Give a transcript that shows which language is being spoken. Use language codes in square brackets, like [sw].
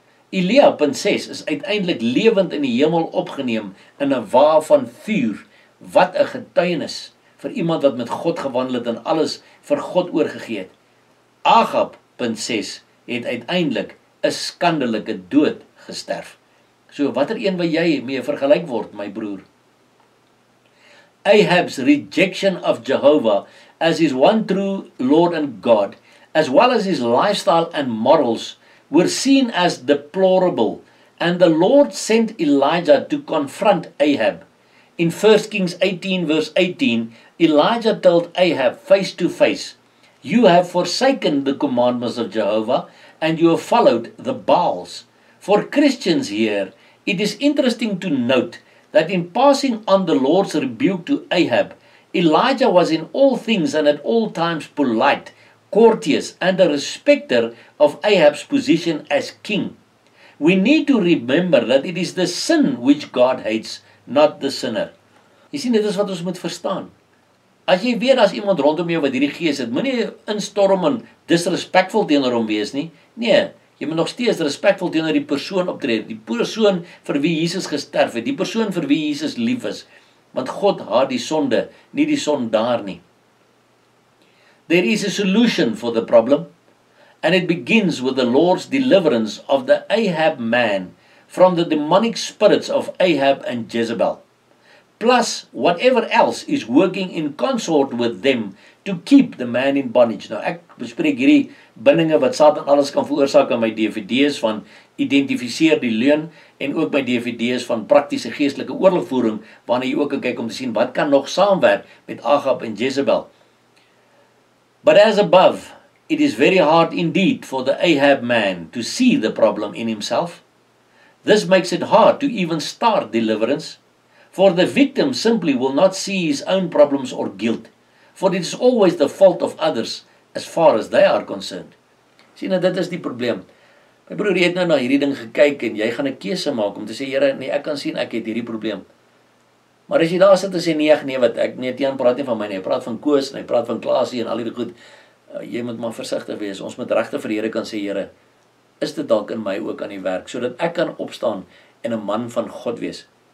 [af] Elia punt 6 is uiteindelik lewend in die hemel opgeneem in 'n wa van vuur. Wat 'n getuienis vir iemand wat met God gewandel het en alles vir God oorgegee het. Ahab punt 6 het uiteindelik 'n skandelike dood gesterf. So watter een wil jy mee vergelyk word, my broer? [en] Ahab's rejection of Jehovah as his one true Lord and God, as well as his lifestyle and morals, were seen as deplorable, and the Lord sent Elijah to confront Ahab. In 1 Kings 18 verse 18, Elijah told Ahab face to face, "You have forsaken the commandments of Jehovah, and you have followed the Baals." For Christians here, it is interesting to note that in passing on the Lord's rebuke to Ahab, Elijah was in all things and at all times polite, courteous, and a respecter of Ahab's position as king. We need to remember that it is the sin which God hates, not the sinner. [af] Jy sien, dit is wat ons moet verstaan. As jy weet daar's iemand rondom jou wat hierdie gees het, moenie instorm en disrespectful teenoor hom wees nie. Nee, jy moet nog steeds respectful teenoor die persoon optree, die persoon vir wie Jesus gesterf het, die persoon vir wie Jesus lief is, want God haat die sonde, nie die sondaar nie. [en] There is a solution for the problem, and it begins with the Lord's deliverance of the Ahab man from the demonic spirits of Ahab and Jezebel, plus whatever else is working in consort with them to keep the man in bondage. [af] Nou, ek bespreek hierdie bindinge wat Satan alles kan veroorsaak in my DVD's van Identifiseer die Leuen en ook my DVD's van Praktiese Geestelike Oorlogvoering, waarna jy ook kan kyk om te sien wat kan nog saamwerk met Ahab en Jezebel. [en] But as above, it is very hard indeed for the Ahab man to see the problem in himself. This makes it hard to even start deliverance, for the victim simply will not see his own problems or guilt, for it is always the fault of others as far as they are concerned. [af] Sien, nou, dit is die probleem. My broer, jy het nou na hierdie ding gekyk en jy gaan 'n keuse maak om te sê, Here, nee, ek kan sien ek het hierdie probleem. Maar as jy daar sit en sê, nee, wat ek nie teen praat nie van my nie, hy praat van Koos en hy praat van Klaasie en al hierdie goed, jy moet maar versigtig wees. Ons moet regtig vir die Here kan sê, Here, is dit dalk in my ook aan die werk, sodat ek kan opstaan en 'n man van God wees.